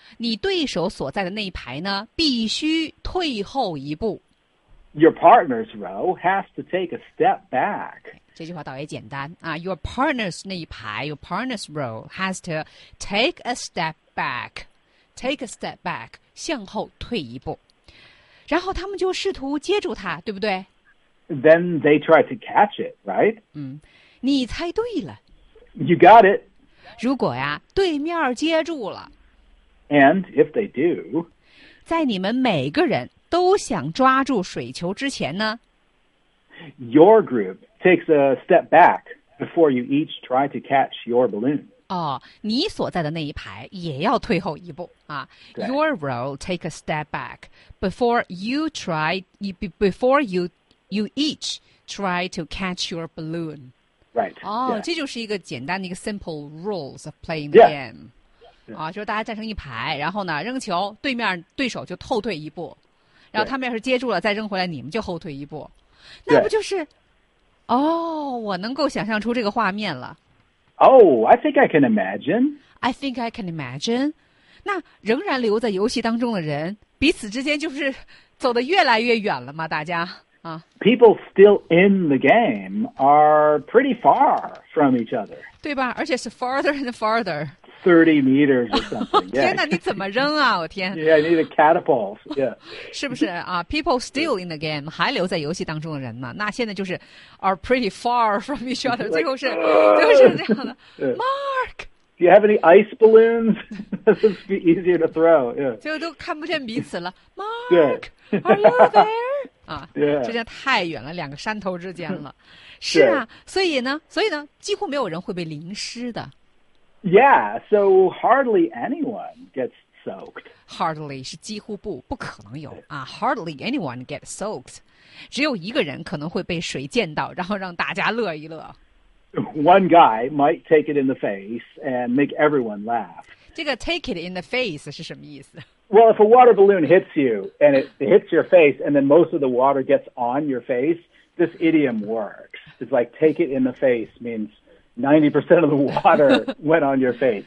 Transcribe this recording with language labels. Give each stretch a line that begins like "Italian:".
Chinese: 你对手所在的那一排呢，必须退后一步。
English: Your partner's row has to take a step back.
Chinese: 这句话倒也简单啊。
English: Your partner's
Chinese: 那一排
English: your partner's row has to take a step back. Take a step back,
Chinese: 向后退一步。然后他们就试图接住他，对不对
English: ？Then they try to catch it, right?
Chinese: 你猜对了。
English: You got it.
Chinese: 如果呀，对面接住了。
English: And if they do,
Chinese: 在你们每个人都想抓住水球之前呢
English: ？Your group takes a step back before you each try to catch your balloon.
Chinese: 哦，你所在的那一排也要退后一步。
English: Your row take a step back before you try before you each try to catch your balloon. Right. 哦、 oh, yeah. ，
Chinese: 这就是一个简单的一个
English: simple rules of playing the game.
Chinese: 啊、
English: yeah. ，
Chinese: 就是大家站成一排，然后呢扔球，对面对手就后退一步，然后他们要是接住了再扔回来，你们就后退一步。那不就是？哦、
English: yeah.
Chinese: oh, ，我能够想象出这个画面了。
English: Oh, I think I can imagine. I think I can imagine.
Chinese: 那仍然留在游戏当中的人彼此之间就是走得越来越远了吗大家、啊、
English: People still in the game are pretty far from each other.
Chinese: 对吧而且是
English: farther and farther. 30 meters or something.
Chinese: 天哪、yeah. 你怎么扔啊我天。
English: Yeah, I need a catapult.、Yeah.
Chinese: 是不是、啊、
English: People still in the game
Chinese: 还留在游戏当中的人呢那现在就是
English: are pretty far from each other.
Chinese: 最后是最后是这样的。Mark!
English: Do you have any ice balloons? This would be easier to throw. Yeah.
Chinese: 就都看不见彼此了。Mark,
English: yeah. are you there? 啊、 yeah. ，
Chinese: 这真太远了，两个山头之间了。是啊，所以呢，几乎没有人会被淋湿的。
English: Yeah, so hardly anyone gets soaked.
Chinese: Hardly 是几乎不可能有啊。
English: Hardly anyone gets soaked.
Chinese: 只有一个人可能会被水溅到，然后让大家乐一乐。
English: One guy might take it in the face and make everyone laugh.
Chinese: 这个
English: take it in the face
Chinese: 是什么意思
English: Well, if a water balloon hits you and it hits your face and then most of the water gets on your face, this idiom works. It's like take it in the face means 90% of the water went on your face.